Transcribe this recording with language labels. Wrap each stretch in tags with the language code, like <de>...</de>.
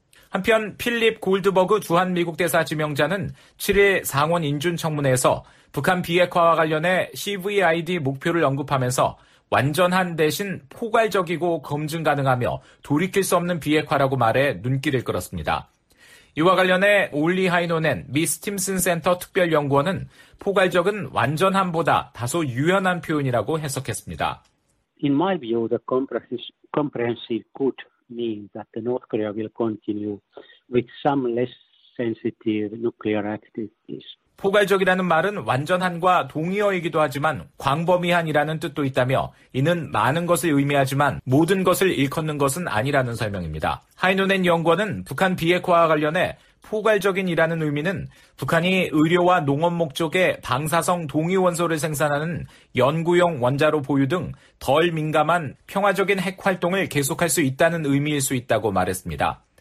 <ko>한편 필립 골드버그 주한미국 대사 지명자는 7일 상원 인준청문회에서 북한 비핵화와 관련해 CVID 목표를 언급하면서 완전한 대신 포괄적이고 검증 가능하며 돌이킬 수 없는 비핵화라고 말해 눈길을 끌었습니다. 이와 관련해 올리 하이노넨 미 스팀슨 센터 특별연구원은 포괄적은 완전함보다 다소 유연한 표현이라고 해석했습니다.</ko> <en>In my view, the comprehensive could mean that the North Korea will continue with some less sensitive nuclear activities.</en> <ko>포괄적이라는 말은 완전한과 동의어이기도 하지만 광범위한이라는 뜻도 있다며 이는 많은 것을 의미하지만 모든 것을 일컫는 것은 아니라는 설명입니다. 하이누넨 연구원은 북한 비핵화와 관련해 포괄적인이라는 의미는 북한이 의료와 농업 목적의 방사성 동위원소를 생산하는 연구용 원자로 보유 등 덜 민감한 평화적인 핵활동을 계속할 수 있다는 의미일 수 있다고 말했습니다.</ko>